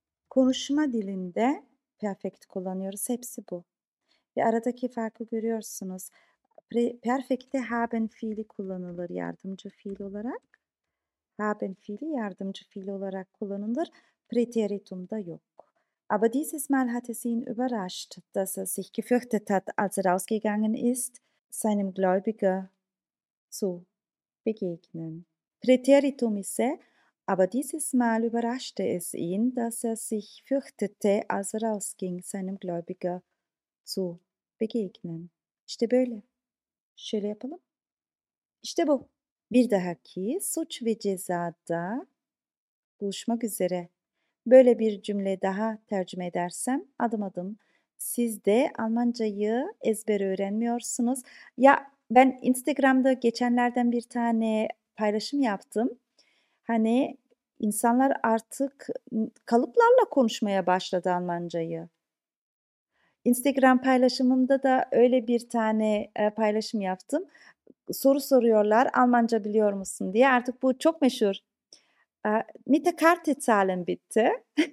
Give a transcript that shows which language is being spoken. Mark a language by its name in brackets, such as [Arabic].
[Turkish] Konuşma dilinde perfect kullanıyoruz. Hepsi bu. Ve aradaki farkı görüyorsunuz. Perfekte haben fiili kullanılır yardımcı fiil olarak. Haben fiili yardımcı fiil olarak kullanılır. Präteritum'da yok. [German] Aber dieses Mal hat es ihn überrascht, dass er sich gefürchtet hat, als er rausgegangen ist, seinem Gläubiger zu begegnen. Präteritum ist, aber dieses Mal überraschte es ihn, dass er sich fürchtete, als er rausging, seinem Gläubiger zu begegnen. [Turkish] İşte böyle. Şöyle yapalım. İşte bu. Bir dahaki suç ve cezada buluşmak üzere. Böyle bir cümle daha tercüme edersem adım adım siz de Almancayı ezber öğrenmiyorsunuz. Ya ben Instagram'da geçenlerden bir tane paylaşım yaptım. Hani insanlar artık kalıplarla konuşmaya başladı Almancayı. Instagram paylaşımımda da öyle bir tane paylaşım yaptım. Soru soruyorlar, Almanca biliyor musun diye. Artık bu çok meşhur. [German] Mit der Karte zahlen bitte.